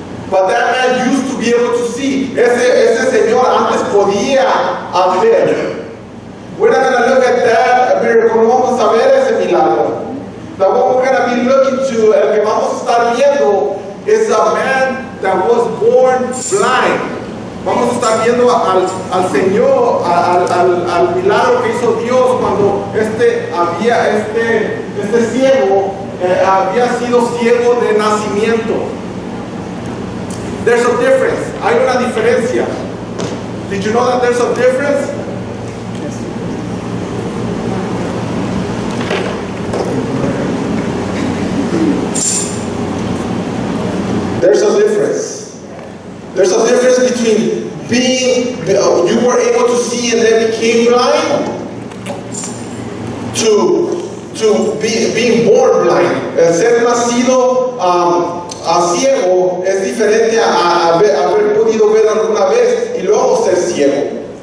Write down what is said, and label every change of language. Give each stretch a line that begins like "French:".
English: But that man used to be able to see.
Spanish: Ese señor antes podía ver.
English: We're not going to look at that miracle.
Spanish: No vamos a ver ese milagro.
English: The one we're going to be looking to,
Spanish: el que vamos a estar viendo,
English: is a man that was born blind.
Spanish: Vamos a estar viendo al Señor, al milagro que hizo Dios cuando este ciego había sido ciego de nacimiento.
English: There's a difference.
Spanish: Hay una diferencia.
English: Did you know that there's a difference? There's a difference between being seeing, you were able to see and then became blind, to being born blind.
Spanish: Ser nacido ciego es diferente a haber podido ver alguna vez y luego ser ciego.